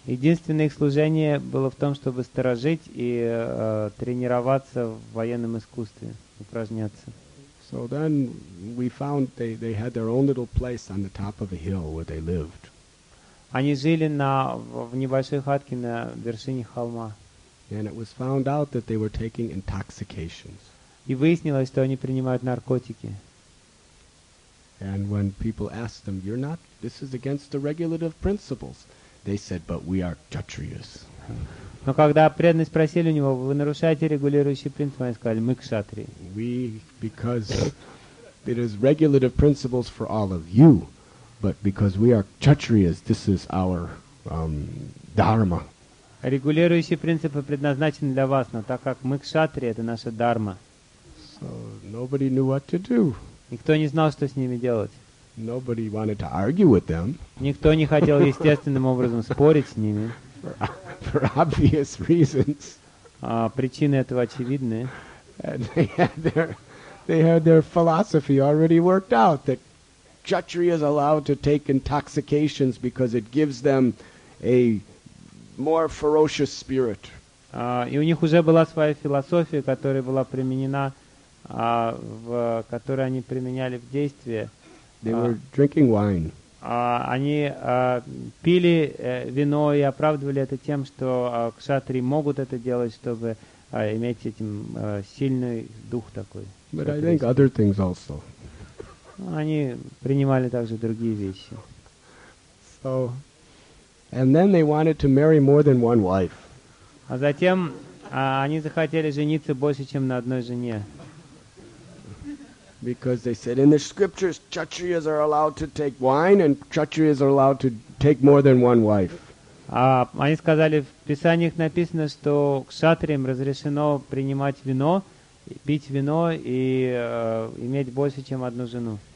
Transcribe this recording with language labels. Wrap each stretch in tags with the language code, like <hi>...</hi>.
<ru>Единственное их служение было в том, чтобы сторожить и тренироваться в военном искусстве, упражняться.</ru> <en>So then we found they had their own little place on the top of a hill where they lived.</en> <ru>Они жили в небольшой хатке на вершине холма.</ru> <en>And it was found out that they were taking intoxications.</en> <ru>И выяснилось, что они принимают наркотики.</ru> <en>And when people asked them, "You're not. This is against the regulative principles," they said, "But we are kshatriyas."</en> <ru>Но когда преданные спросили у него, вы нарушаете регулирующие принципы, они сказали, мы кшатрии.</ru> <en>We, because it is regulative principles for all of you, but because we are kshatriyas, this is our dharma.</en> <ru>Регулирующие принципы предназначены для вас, но так как мы кшатри, это наша дхарма.</ru> <en>So nobody knew what to do.</en> <ru>Никто не знал, что с ними делать.</ru> <en>Nobody wanted to argue with them.</en> <ru>Никто не хотел естественным образом спорить с ними.</ru> <en>For obvious reasons.</en> <ru>Причины этого очевидны.</ru> <en>They had their philosophy already worked out that kshatriya is allowed to take intoxications because it gives them a more ferocious spirit.</en> <ru>И у них уже была своя философия, которая была применена, которую они применяли в действии.</ru> <en>They were drinking wine.</en> <ru>Они пили вино и оправдывали это тем, что кшатрии могут это делать, чтобы иметь этим сильный дух такой.</ru> <en>But I think other things also.</en> <ru>Они принимали также другие вещи.</ru> <en>So. And then they wanted to marry more than one wife.</en> <ru>А затем они захотели жениться больше, чем на одной жене.</ru> <en>Because they said in the scriptures kshatriyas are allowed to take wine and kshatriyas are allowed to take more than one wife.</en> <ru>Они сказали, в писаниях написано, что кшатриям разрешено принимать вино, пить вино и иметь больше, чем одну жену.</ru>